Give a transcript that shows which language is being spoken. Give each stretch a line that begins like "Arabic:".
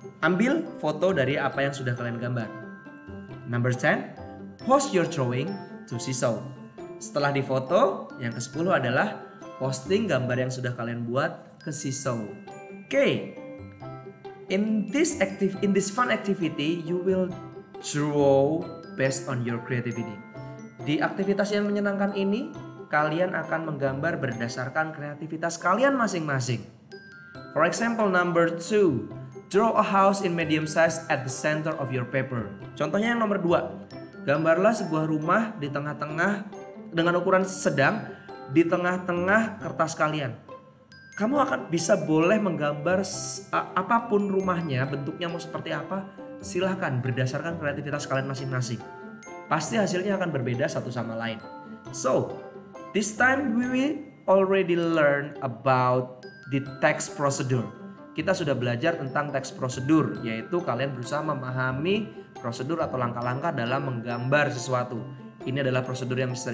Indonesian: Ambil foto dari apa yang sudah kalian gambar.
English: Number 10, post your drawing to Sisal.
Indonesian: Setelah difoto, yang ke-10 adalah posting gambar yang sudah kalian buat ke Sisal.
English: Okay. In this fun activity, you will draw based on your creativity.
Indonesian: Di aktivitas yang menyenangkan ini, kalian akan menggambar berdasarkan kreativitas kalian masing-masing.
English: For example, number 2, draw a house in medium size at the center of your paper.
Indonesian: Contohnya yang nomor 2, gambarlah sebuah rumah di tengah-tengah dengan ukuran sedang di tengah-tengah kertas kalian. Kamu akan bisa boleh menggambar apapun rumahnya, bentuknya mau seperti apa, silahkan berdasarkan kreativitas kalian masing-masing. Pasti hasilnya akan berbeda satu sama lain.
English: So, this time we already learn about the text procedure.
Indonesian: Kita sudah belajar tentang text procedure, yaitu kalian berusaha memahami prosedur atau langkah-langkah dalam menggambar sesuatu. Ini adalah prosedur yang Mr.